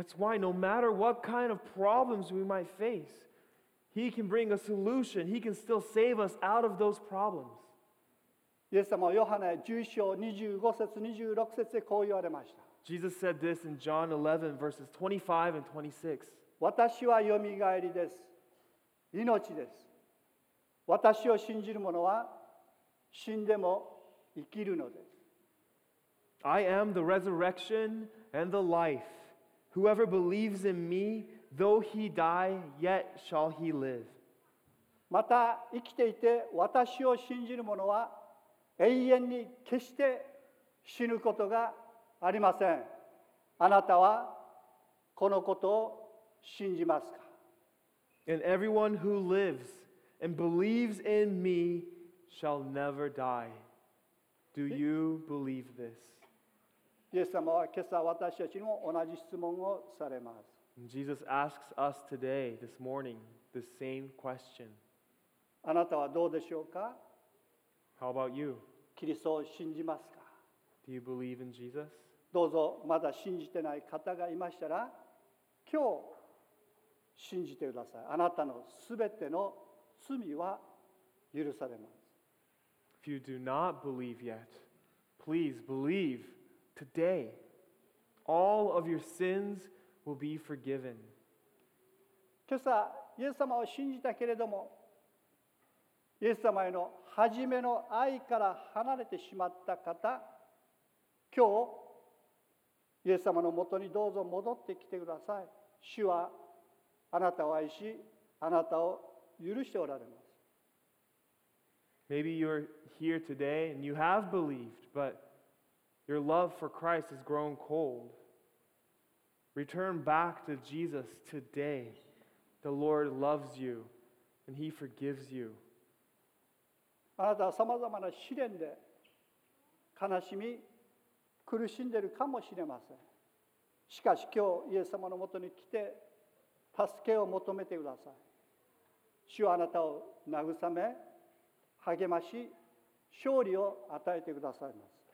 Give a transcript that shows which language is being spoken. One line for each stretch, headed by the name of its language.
English: That's why no matter what kind of problems we might face, he can bring a solution. He can still save us out of those problems.
Japanese: イエス様はヨハネ11章25節26節でこう言われました。
English: Jesus said this in John 11 verses 25 and 26.
Japanese: 私は蘇りです。命です。私を信じる者は死んでも生きるのです。
English: I am the resurrection and the life. Whoever believes in me, though he die, yet shall he live.
Japanese: また生きていて私を信じる者は永遠に決して死ぬことがありません。あなたはこのことを信じますか?
English: And everyone who lives and believes in me shall never die. Do you believe this?
Japanese: イエス様は今朝私たちにも同じ質問をされます。
English: Jesus asks us today, this morning, the same question.
Japanese: あなたはどうでしょうか?
English: How about you?
Japanese: キリストを信じますか?
English: Do you believe in Jesus?
Japanese: どうぞまだ信じてない方がいましたら今日信じてください。あなたのすべての罪は許されます。
English: If you do not believe yet, please believe today. All of your sins will be forgiven.
Japanese: 今朝、イエス様を信じたけれどもイエス様への初めの愛から離れてしまった方、今日、イエス様のもとにどうぞ戻ってきてください。主はあなたを愛し、あなたを許しておられます。
English: Maybe you're here today and you have believed, but your love for Christ has grown cold. Return back to Jesus today. The Lord loves you and He forgives you.
Japanese: あなたはさまざまな試練で悲しみ苦しんでいるかもしれません。しかし今日イエス様のもとに来て助けを求めてください。主はあなたを慰め励まし勝利を与えてくださいます。